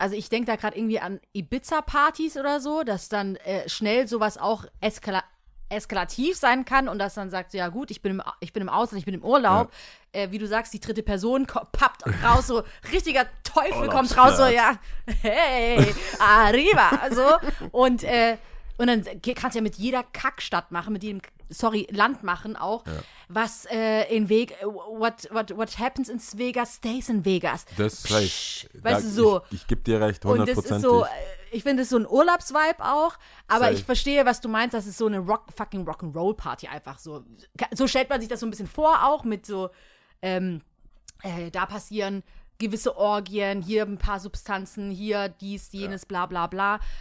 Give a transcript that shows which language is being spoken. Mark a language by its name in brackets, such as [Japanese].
[German] Also ich denke da gerade irgendwie an Ibiza-Partys oder so, dass dann schnell sowas auch eskalativ sein kann und dass dann sagt, ja gut, ich bin im Ausland, ich bin im Urlaub. Ja. Wie du sagst, die dritte Person pappt raus, so richtiger Teufel kommt raus, so ja, hey, arriba, so. Und dann kannst du ja mit jeder Kackstadt machen, mit jedem, Land machen auch, ja. Was in Vegas, [English] what happens in Vegas, stays in Vegas. [German] Das weiß ich. Weißt du, so. Ich gebe dir recht, 100%. Und das ist so, ich finde es so ein Urlaubsvibe auch, aber ich verstehe, was du meinst, das ist so eine fucking Rock'n'Roll Party einfach so. So stellt man sich das so ein bisschen vor auch mit so, da passieren gewisse Orgien, hier ein paar Substanzen, hier dies, jenes, bla bla bla.